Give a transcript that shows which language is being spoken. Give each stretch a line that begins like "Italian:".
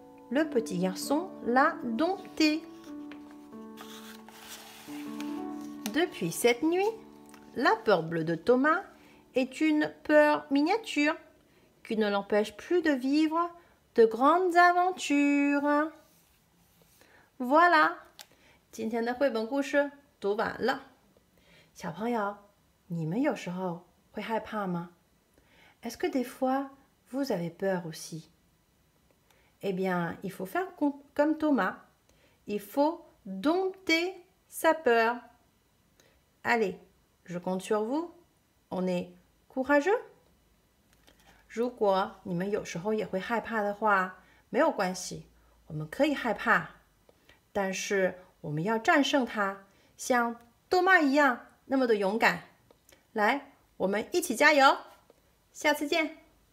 French: Le petit garçon l'a dompté. Depuis cette nuit, la peur bleue de Thomas est une peur miniature qui ne l'empêche plus de vivre de grandes aventures. Voilà,
Chinese: 今天的绘本故事读完了。小朋友，你们有时候会害怕吗？
French: Est-ce que des fois, vous avez peur aussi? Eh bien, il faut faire comme Thomas. Il faut dompter sa peur. Allez, je compte sur vous. On est courageux?
Chinese: 如果你们有时候也会害怕的话，没有关系，我们可以害怕。但是我们要战胜它，像豆妈一样那么的勇敢。来，我们一起加油。下次见。